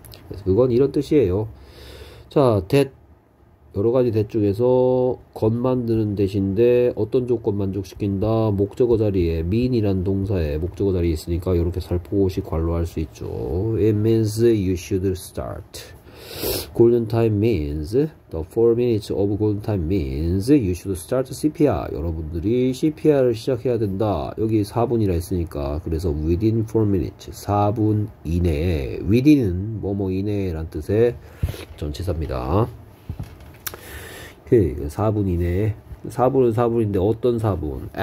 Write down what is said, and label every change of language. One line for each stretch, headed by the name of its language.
Korean: 그래서 그건 이런 뜻이에요. 자, that 여러 가지 대 중에서 겉 만드는 대신데 어떤 조건 만족시킨다? 목적어 자리에 mean이란 동사에 목적어 자리에 있으니까 이렇게 살포시 관로할 수 있죠.
English: It means you should start. Golden time means the 4 minutes of golden time means you should start CPR.
Korean: 여러분들이 CPR을 시작해야 된다. 여기 4분이라 했으니까 그래서
English: within 4 minutes,
Korean: 4분 이내에 within은 뭐뭐 이내란 뜻의 전치사입니다. 그 4분 이내에 4분은 4분인데 어떤 4분?